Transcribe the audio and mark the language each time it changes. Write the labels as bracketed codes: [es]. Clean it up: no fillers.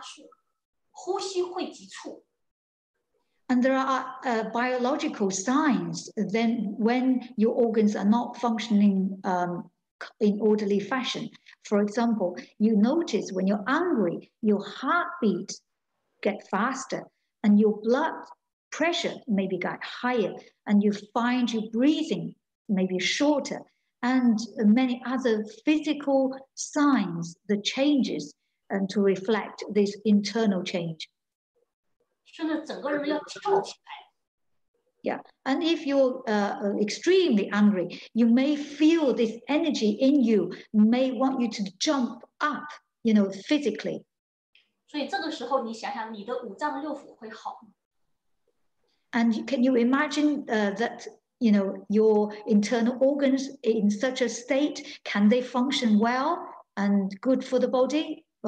[zh] 所以当你上头的时候，第一个反应就是你的心跳会加速，呼吸会急促。 [en] And there are biological signs. Then, when your organs are not functioning in orderly fashion, for example, you notice when you're angry, your heartbeat gets faster, and your blood pressure maybe got higher, and you find your breathing maybe shorter, and many other physical signs, the changes, and to reflect this internal change. [zh] 甚至整个人要跳起来。 [en] Yeah, and if you're extremely angry, you may feel this energy in you, may want you to jump up, you know, physically. [zh] 所以这个时候你想想你的五脏六腑会好吗？ [en] And can you imagine that, you know, your internal organs in such a state, can they function well and good for the body?